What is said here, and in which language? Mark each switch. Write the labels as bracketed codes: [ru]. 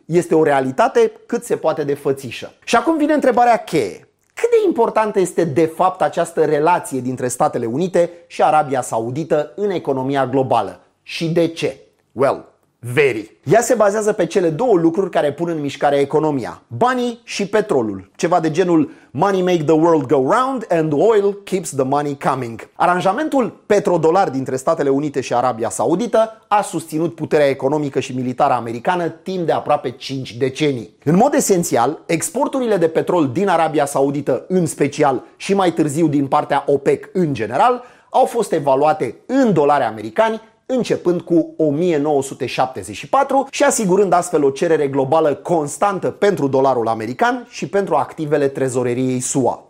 [ro] Este o realitate cât se poate de fățișă. Și acum vine întrebarea cheie. Cât de importantă este de fapt această relație dintre Statele Unite și Arabia Saudită în economia globală? Și de ce? [en] Well, very. [ro] Ea se bazează pe cele două lucruri care pun în mișcare economia. Banii și petrolul. Ceva de genul [en] money make the world go round and oil keeps the money coming. [ro] Aranjamentul petrodolar dintre Statele Unite și Arabia Saudită a susținut puterea economică și militară americană timp de aproape 5 decenii. În mod esențial, exporturile de petrol din Arabia Saudită în special și mai târziu din partea OPEC în general au fost evaluate în dolari americani începând cu 1974 și asigurând astfel o cerere globală constantă pentru dolarul american și pentru activele trezoreriei SUA.